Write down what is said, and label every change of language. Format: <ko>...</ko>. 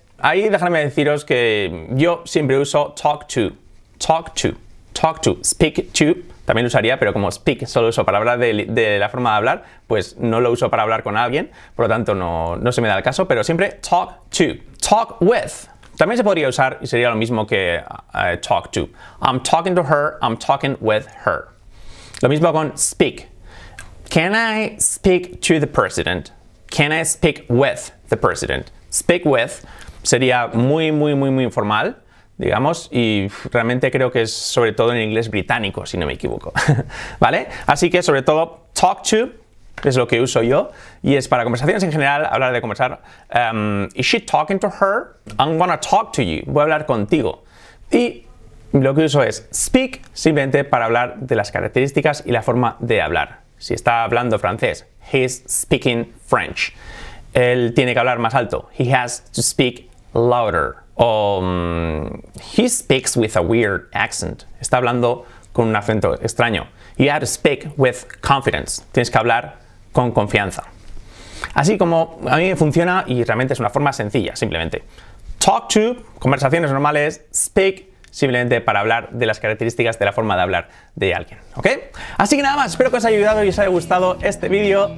<es>Ahí déjame deciros que yo siempre uso talk to, talk to, talk to, speak to. También lo usaría, pero como speak solo uso para hablar de la forma de hablar, pues no lo uso para hablar con alguien, por lo tanto no se me da el caso, pero siempre talk to, talk with. También se podría usar y sería lo mismo que talk to.</es> <en>I'm talking to her, I'm talking with her.</en> <es>Lo mismo con speak.</es> <en>Can I speak to the president? Can I speak with the president?</en> <es>Speak with sería muy, muy, muy, muy informal. Digamos, y realmente creo que es sobre todo en inglés británico, si no me equivoco. ¿Vale? Así que sobre todo, talk to es lo que uso yo y es para conversaciones en general, hablar de conversar.</es> <en>Is she talking to her? I'm gonna talk to you.</en> <es>Voy a hablar contigo. Y lo que uso es speak simplemente para hablar de las características y la forma de hablar. Si está hablando francés,</es> <en>he's speaking French.</en> <es>Él tiene que hablar más alto.</es> <en>He has to speak louder. O he speaks with a weird accent.</en> <es>Está hablando con un acento extraño.</es> <en>You have to speak with confidence.</en> <es>Tienes que hablar con confianza. Así como a mí me funciona y realmente es una forma sencilla, simplemente. Talk to, conversaciones normales. Speak, simplemente para hablar de las características de la forma de hablar de alguien. ¿Ok? Así que nada más, espero que os haya ayudado y os haya gustado este vídeo.</es>